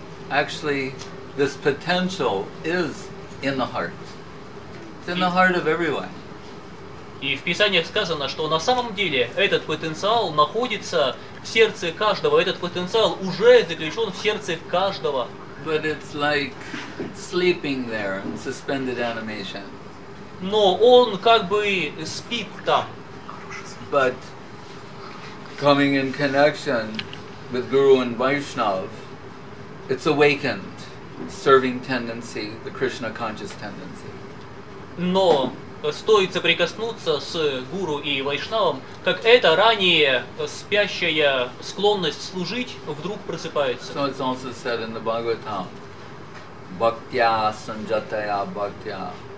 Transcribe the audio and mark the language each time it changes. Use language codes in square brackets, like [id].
[en] Actually, this potential is in the heart. It's in the heart of everyone. [ru] И в Писаниях сказано, что на самом деле этот потенциал находится в сердце каждого. Этот потенциал уже заключен в сердце каждого. [en] But it's like sleeping there in suspended animation. [ru] Но он как бы спит там. [en] But coming in connection with Guru and Vaishnav, it's awakened, serving tendency, the Krishna conscious tendency. [ru] Но стоит соприкоснуться с Гуру и Вайшнавом, как эта ранее спящая склонность служить вдруг просыпается. [en] So it's also said in the Bhagavatam, Bhaktya Sanjataya Bhaktya.